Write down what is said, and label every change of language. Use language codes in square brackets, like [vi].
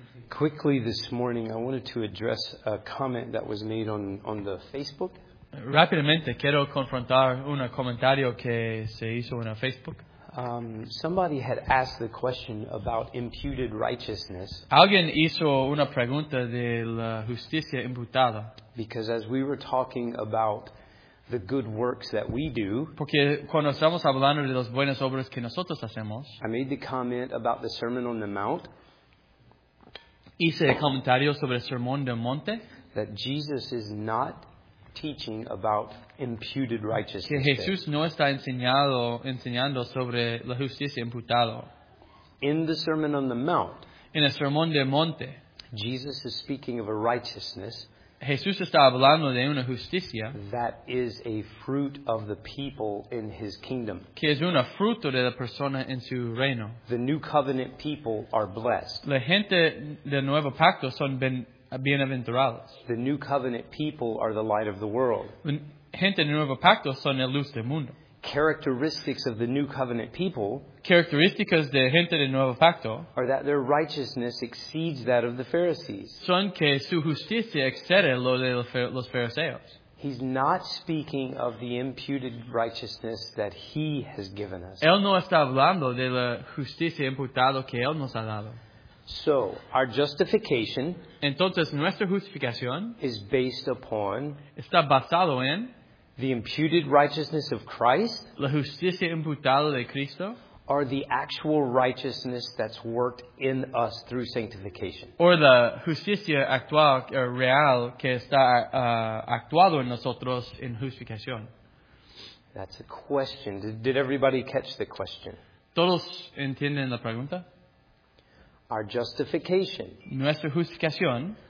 [en] Quickly this morning, I wanted to address a comment that was made on the Facebook. [es] Rápidamente quiero confrontar un comentario que se hizo en Facebook. [en] Somebody had asked the question about imputed righteousness. [es] Alguien hizo una pregunta de la justicia imputada. [en] Because as we were talking about the good works that we do, [es] porque cuando estamos hablando de las buenas obras que nosotros hacemos, [en] I made the comment about the Sermon on the Mount. [es] Hice el comentario sobre el Sermón del Monte. [en] That Jesus is not teaching about imputed righteousness. [es] Que Jesús no está enseñando sobre la justicia imputada. [en] In the Sermon on the Mount, [es] en el Sermón del Monte, [en] Jesus is speaking of a righteousness. [es] Jesús está hablando de una justicia [en] that is a fruit of the people in his kingdom. [es] Que es una fruto de la persona en su reino. [en] The new covenant people are blessed. [es] La gente del nuevo pacto son bienaventurados. [en] The new covenant people are the light of the world. [es] La gente del nuevo pacto son la luz del mundo. [en] Characteristics of the new covenant people, [es] características de gente del nuevo pacto, [en] are that their righteousness exceeds that of the Pharisees. [es] Son que su justicia excede lo de los fariseos. [en] He's not speaking of the imputed righteousness that he has given us. [es] Él no está hablando de la justicia imputada que él nos ha dado. [en] So, our justification, [es] entonces nuestra justificación, [en] is based upon, [es] está basado en, [en] the imputed righteousness of Christ, [es] la justicia imputada de Cristo, [en] or the actual righteousness that's worked in us through sanctification, [es] or la justicia actual or real que está actuado en nosotros en justificación. [en] That's a question. Did everybody catch the question? [es] ¿Todos entienden la pregunta? [en] Our justification, [es] nuestra justificación,